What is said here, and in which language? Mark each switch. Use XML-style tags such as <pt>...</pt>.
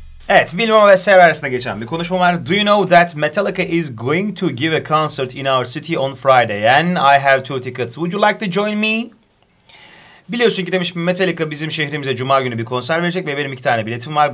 <tr>Evet, Wilma ve Sarah arasında geçen bir konuşma var.</tr> <en>Do you know that Metallica is going to give a concert in our city on Friday and I have 2 tickets. Would you like to join me?</en> <tr>Biliyorsun ki demiş Metallica bizim şehrimize cuma günü bir konser verecek ve benim 2 tane biletim var.</tr>